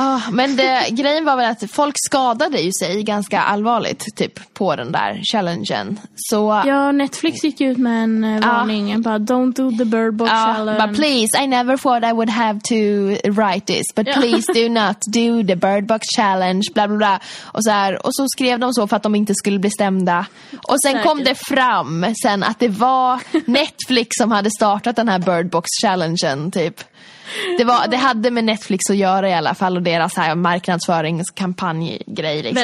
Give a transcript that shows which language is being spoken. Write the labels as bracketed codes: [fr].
[sv] Men det, grejen var väl att folk skadade ju sig ganska allvarligt typ på den där challengen. Så, ja, Netflix gick ut med en varning. [en] Don't do the Bird Box Challenge. But please, I never thought I would have to write this. But please do not do the Bird Box Challenge. Bla bla bla. [sv] Och så skrev de så för att de inte skulle bli stämda. Och sen kom det fram sen att det var Netflix som hade startat den här Bird Box Challengen typ. Det hade med Netflix att göra i alla fall och deras här marknadsföringskampanjgrej liksom.